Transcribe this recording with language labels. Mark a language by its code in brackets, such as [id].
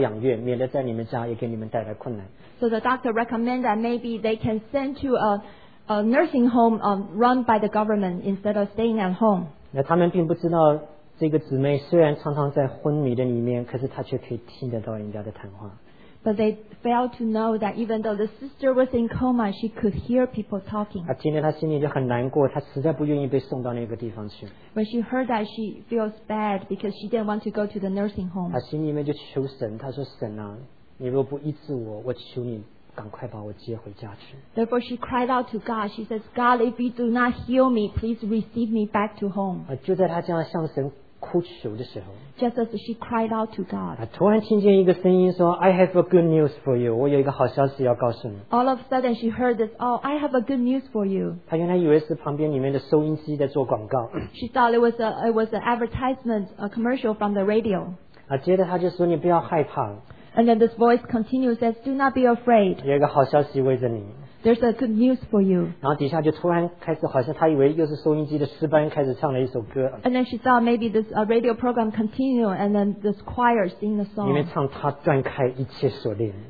[zh] 所以这个医生就建议他的家人，我建议你把他送到州政府办的一个疗养院，免得在你们家也给你们带来困难。 [en] So the doctor recommend that maybe they can send to a nursing home run by the government instead of staying at home. [zh] 那他们并不知道。这个姊妹虽然常常在昏迷的里面，可是她却可以听得到人家的谈话。 [en] But they failed to know that even though the sister was in coma, she could hear people talking. [zh] 她听着她心里就很难过，她实在不愿意被送到那个地方去。 [en] When she heard that, she feels bad because she didn't want to go to the nursing home. [zh] 她心里面就求神，她说神啊，你若不医治我，我求你。赶快把我接回家去。 [en] Therefore she cried out to God. She says, God, if you do not heal me, please receive me back to home. [zh] 就在她这样向神哭求的时候， [en] just as she cried out to God, [zh] 突然听见一个声音说， [en] I have a good news for you. [zh] 我有一个好消息要告诉你。 [en] All of a sudden she heard this, oh, I have a good news for you. [zh] 她原来以为是旁边里面的收音机在做广告。 [en] She thought it was an advertisement, a commercial from the radio. [zh] 接着她就说， 你不要害怕。 [en] And then this voice continues, says, do not be afraid. There's a good news for you. And then she thought maybe this radio program continued, and then this choir sing the song.